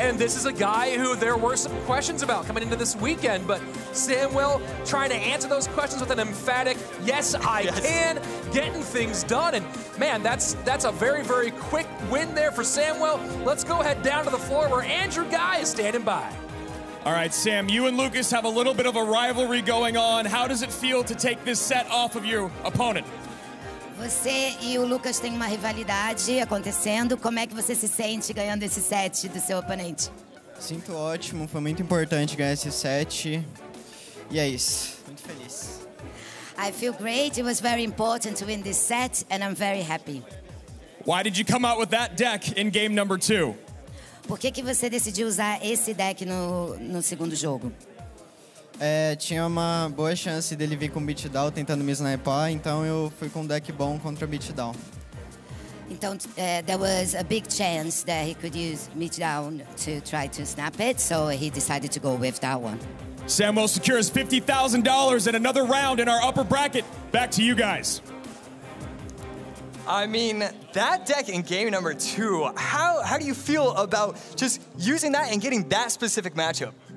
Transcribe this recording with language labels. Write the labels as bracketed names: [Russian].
[English] And this is a guy who there were some questions about coming into this weekend, but Samwell trying to answer those questions with an emphatic, yes, I can, getting things done. And man, that's a very, very quick win there for Samwell. Let's go ahead down to the floor where Andrew Guy is standing by. All right, Sam, you and Lucas have a little bit of a rivalry going on. How does it feel to take this set off of your opponent? [Portuguese] Você e o Lucas têm uma rivalidade acontecendo. Como é que você se sente ganhando esse set do seu oponente? Sinto ótimo. Foi muito importante ganhar esse set. E é isso. Muito feliz. [English] I feel great. It was very important to win this set, and I'm very happy. Why did you come out with that deck in game number 2? [Portuguese] Por que você decidiu usar esse deck no segundo jogo? Tinha uma boa chance dele vir com beatdown tentando me sniper, então eu fui com um deck bom contra beatdown. Então, [English] there was a big chance that he could use beatdown to try to snap it, so he decided to go with that one. Samwell secures $50,000 in another round in our upper bracket. Back to you guys. I mean, that deck in game number 2, how do you feel about just using that and getting that specific matchup?